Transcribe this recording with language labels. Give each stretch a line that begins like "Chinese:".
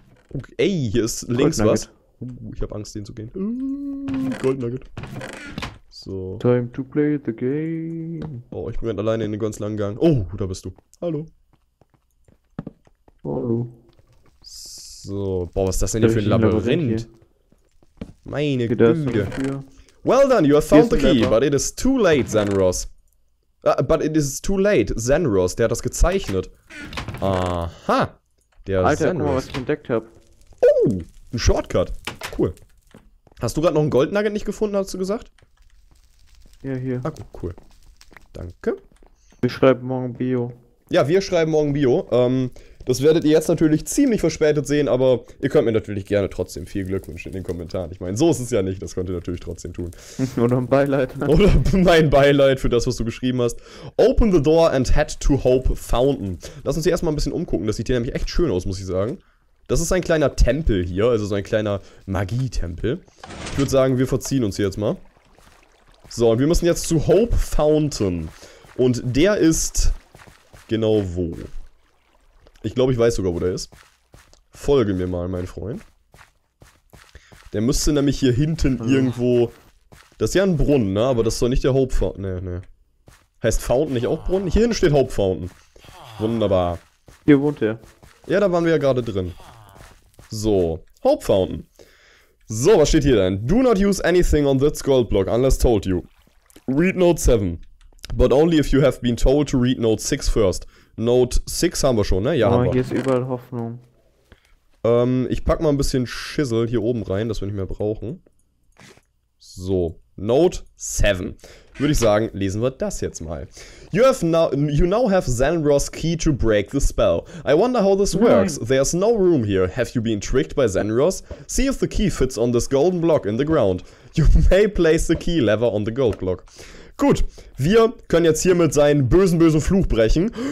German: Okay, ey, hier ist links was. Ich habe Angst, den zu gehen. Gold Nugget. So.
English: Time to play the game.
German: Oh, ich bin gerade alleine in den ganz langen Gang. Oh, da bist du. Hallo. Hallo. So, boah, was ist das denn hier für ein Labyrinth? Meine Güte.
English: Well done, you have found the key, but it is too late, Zenros. But it is too late, Zenros,
German: der hat das gezeichnet.
English: Aha.
German: Der Alter, Zenros. Guck mal, was ich entdeckt hab. Oh, ein Shortcut. Cool. Hast du gerade noch ein Goldnugget nicht gefunden, hast du gesagt? Ja, hier. Ah, gut, cool. Danke. Wir schreiben morgen Bio. Ja, wir schreiben morgen Bio. Das werdet ihr jetzt natürlich ziemlich verspätet sehen, aber ihr könnt mir natürlich gerne trotzdem viel Glück wünschen in den Kommentaren. Ich meine, so ist es ja nicht, das könnt ihr natürlich trotzdem tun. Oder ein Beileid. Oder mein Beileid für das, was du geschrieben hast.
English: Open the door and head to Hope Fountain.
German: Lass uns hier erstmal ein bisschen umgucken, das sieht hier nämlich echt schön aus, muss ich sagen. Das ist ein kleiner Tempel hier, also so ein kleiner Magietempel. Ich würde sagen, wir verziehen uns hier jetzt mal. So, und wir müssen jetzt zu Hope Fountain. Und der ist genau wo. Ich glaube, ich weiß sogar, wo der ist. Folge mir mal, mein Freund. Der müsste nämlich hier hinten irgendwo... Das ist ja ein Brunnen, ne? Aber das ist doch nicht der Hope Fountain. Nee, nee. Heißt Fountain nicht auch Brunnen? Hier hinten steht Hope Fountain. Wunderbar. Hier wohnt er. Ja, da waren wir ja gerade drin. So, Hope Fountain. So, was steht hier denn?
English: Do not use anything on this gold block, unless told you. Read Note 7. But only if you have been told to read Note 6 first.
German: Note 6 haben wir schon, ne? Ja, oh, haben wir. Hier ist überall Hoffnung. Ich pack mal ein bisschen Schissel hier oben rein, das wir nicht mehr brauchen. So, Note 7. Würde ich sagen, lesen wir das jetzt mal.
English: You now have Zanros' key to break the spell. I wonder how this works. There's no room here. Have you been tricked by Zanros? See if the key fits on this golden block in the ground. You may place the key lever on the gold block.
German: Gut, wir können jetzt hiermit seinen bösen, bösen Fluch brechen.